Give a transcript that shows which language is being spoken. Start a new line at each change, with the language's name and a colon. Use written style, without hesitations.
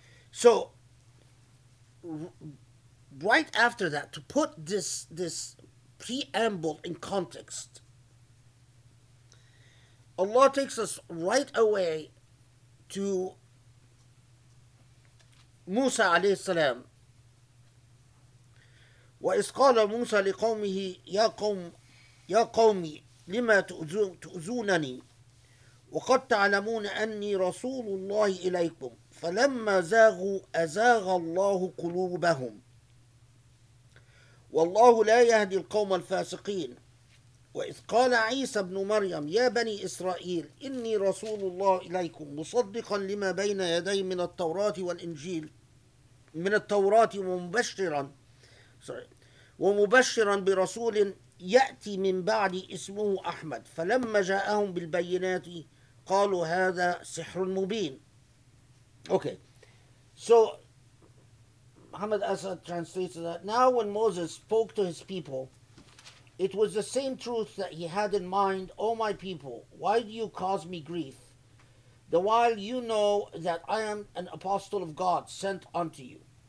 English: So, right after that, to put this preamble in context, Allah takes us right away to Musa alayhi salam.
Arabic: وَإِذْ قَالَ مُوسَى لِقَوْمِهِ يَا قَوْمِي لِمَا تُؤْذُونَنِي وَقَدْ تَعْلَمُونَ أَنِّي رَسُولُ اللَّهِ إِلَيْكُمْ فَلَمَّا زَاغُوا أَزَاغَ اللَّهُ قُلُوبَهُمْ والله لا يهدي القوم الفاسقين وإذ قال عيسى بن مريم يا بني إسرائيل إني رسول الله إليكم مصدقا لما بين يدي من التوراة والإنجيل من التوراة ومبشرا برسول يأتي من بعد اسمه أحمد فلما جاءهم بالبينات قالوا هذا سحر مبين.
English: Okay, so Muhammad Asad translated that, now when Moses spoke to his people, it was the same truth that he had in mind. O my people, why do you cause me grief? The while you know that I am an apostle of God sent unto you.